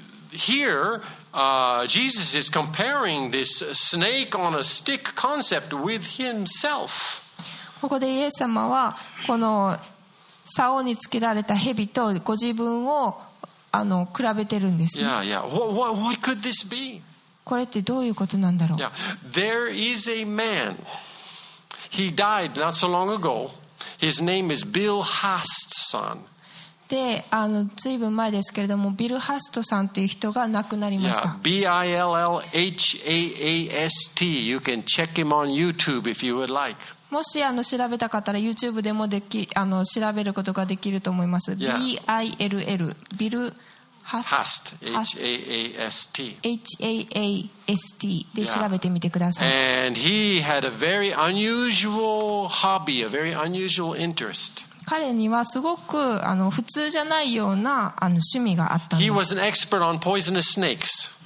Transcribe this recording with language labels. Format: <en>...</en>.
<en>So here Jesus is comparing this snake on a stick concept with himself.</en> <ja>ここでイエス様はこの竿につけられた蛇とご自分を比べてるんですね。</ja> <en>Yeah, yeah. What could this be?</en> <ja>これってどういうことなんだろう。</ja> <en>Yeah. There is a man. He died not so long ago. His name is Bill Hastson.</en> <ja>で、ずいぶん前ですけれども、ビル・ハストさんという人が亡くなりました。</ja> <en>Yeah. B-I-L-L-H-A-A-S-T. You can check him on YouTube if you would like.</en> <ja>もし調べたかったら YouTube でもでき調べることができると思います。</ja> <en>Yeah. B-I-L-L. ビル・ Hast, H-A-A-S-T. H-A-A-S-T.</en> <ja>で調べてみてください。</ja> <en>Yeah. And he had a very unusual hobby, a very unusual interest.</en> <ja>彼にはすごく普通じゃないような趣味があったんです。</ja> <en>He was an expert on poisonous snakes.</en>